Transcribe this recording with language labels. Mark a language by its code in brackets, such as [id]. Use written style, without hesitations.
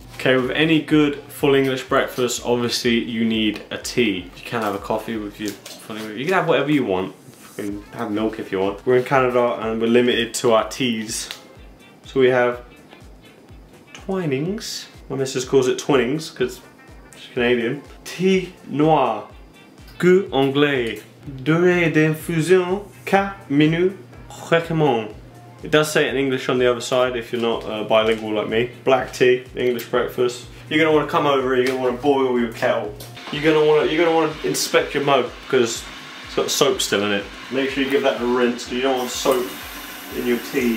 [en] Okay, with any good full English breakfast, obviously you need a tea. You can have a coffee with your full English. You can have whatever you want. You can have milk if you want. We're in Canada and we're limited to our teas. So we have Twinings. My missus calls it Twinings, because she's Canadian. [fr] Thé noir, goût anglais, durée d'infusion, 4 minutes, recommande. [en] It does say it in English on the other side, if you're not bilingual like me. Black tea, English breakfast. You're gonna wanna come over, you're gonna wanna boil your kettle. You're gonna wanna inspect your mug, because it's got soap still in it. Make sure you give that a rinse, because you don't want soap in your tea.